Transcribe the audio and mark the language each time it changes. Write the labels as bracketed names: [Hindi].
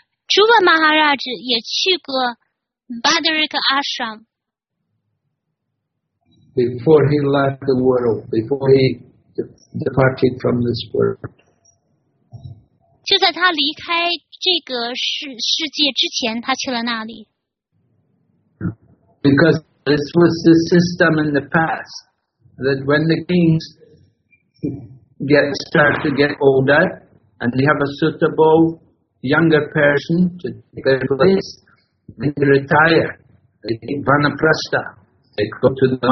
[Chinese] Dhruva Maharaj 也去过 Badrik Ashram. [English] Before he left the world, before he departed from this world. [Chinese] 就在他离开这个世界之前，他去了那里。 [English] Because this was the system in the past, that when the kings start to get older, and they have a suitable younger person to take their place, they retire, they take Vanaprastha.